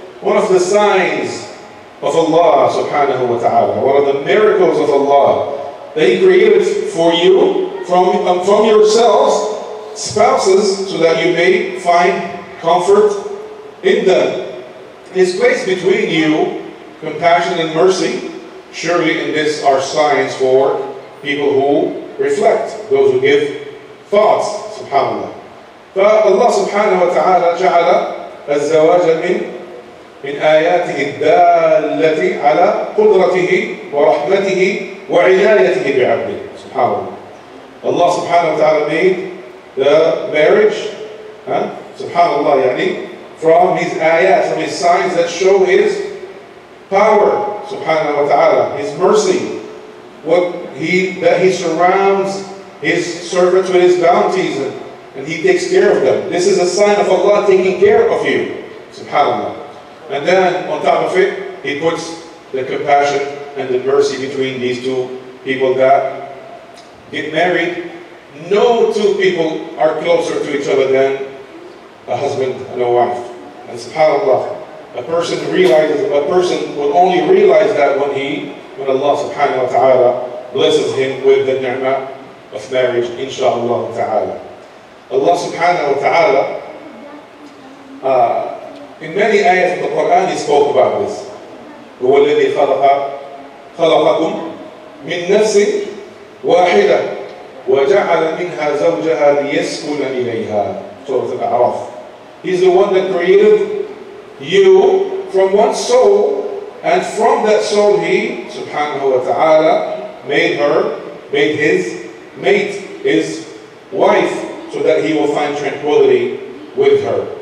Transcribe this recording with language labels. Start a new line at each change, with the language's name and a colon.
English: One of the signs of Allah subhanahu wa ta'ala, one of the miracles of Allah, that He created for you from yourselves spouses so that you may find comfort in them. His place between you, compassion and mercy, surely in this are signs for people who reflect, those who give thoughts, subhanAllah.
Arabic: But Allah subhanahu wa ta'ala ja'ala الزواج من آياته الدالة على قدرته ورحمته وعنايته بعبده سبحانه وتعالى.
English: Allah subhanahu wa ta'ala made the marriage, subhanallah, from His ayat, from His signs that show His power, subhanahu wa ta'ala, His mercy, that He surrounds His servants with His bounties and He takes care of them. This is a sign of Allah taking care of you, subhanAllah. And then on top of it, He puts the compassion and the mercy between these two people that get married. No two people are closer to each other than a husband and a wife. And subhanAllah, a person will only realize that when Allah subhanahu wa ta'ala blesses him with the ni'mah of marriage, inshaAllah ta'ala. Allah subhanahu wa ta'ala, in many ayahs of the Quran, He spoke about this.
Arabic: هو الذي خلقكم من نفس واحدة وجعل منها زوجها ليسكن إليها.
English: Surah Al-A'raf. He's the one that created you from one soul, and from that soul He, subhanahu wa ta'ala, made His mate, His wife, so that he will find tranquility with her.